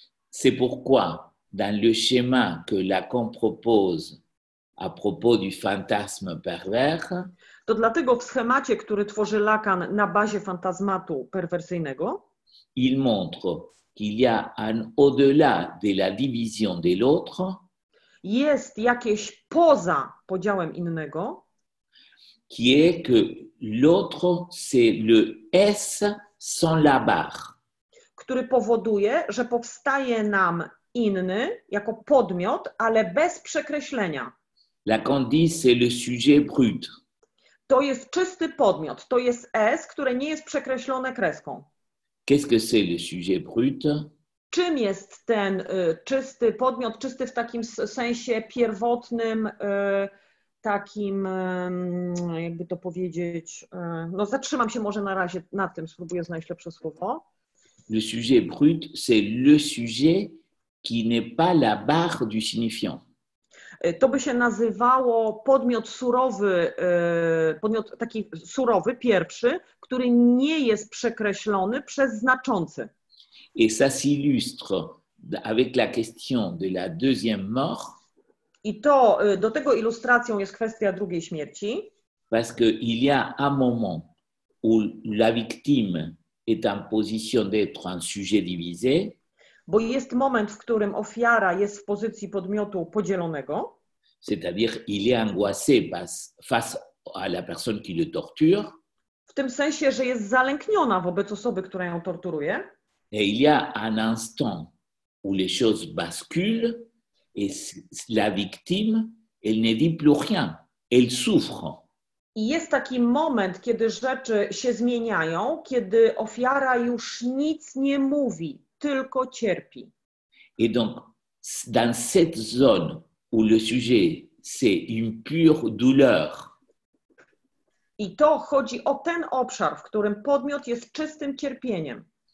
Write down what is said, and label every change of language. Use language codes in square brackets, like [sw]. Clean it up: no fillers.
[fr] C'est pourquoi dans le schéma que Lacan propose à propos du fantasme pervers, [pl] to dlatego w schemacie, który tworzy Lacan na bazie fantazmatu perwersyjnego, [fr] il montre qu'il y a un au-delà de la division de l'autre. [pl] Jest jakieś poza podziałem innego. [fr] Qui est que l'autre, c'est le S sans la barre. [pl] Który powoduje, że powstaje nam inny jako podmiot, ale bez przekreślenia. [fr] Lacan dit, c'est le sujet brut. [pl] To jest czysty podmiot, to jest S, które nie jest przekreślone kreską. [fr] Qu'est-ce que c'est le sujet brut? [pl] Czym jest ten czysty podmiot, czysty w takim sensie pierwotnym, takim, jakby to powiedzieć, no zatrzymam się może na razie na tym, spróbuję znaleźć lepsze słowo. [fr] Le sujet brut, c'est le sujet qui n'est pas la barre du signifiant. [pl] To by się nazywało podmiot surowy, podmiot taki surowy, pierwszy, który nie jest przekreślony przez znaczący. [fr] Et ça s'illustre avec la question de la deuxième mort. [pl] I to do tego ilustracją jest kwestia drugiej śmierci. [fr] Parce que il y a un moment où la victime est en position d'être un sujet divisé. [pl] Bo jest moment, w którym ofiara jest w pozycji podmiotu podzielonego. [fr] C'est-à-dire, il est angoissé face à la personne qui le torture. [pl] W tym sensie, że jest zalękniona wobec osoby, która ją torturuje. [fr] Et il y a un instant où les choses basculent et la victime, elle ne dit plus rien, elle souffre. [pl] I jest taki moment, kiedy rzeczy się zmieniają, kiedy ofiara już nic nie mówi, tylko cierpi. [fr] Et donc, dans cette zone où le sujet, c'est une pure douleur. [pl] I to chodzi o ten obszar, w którym podmiot jest czystym cierpieniem.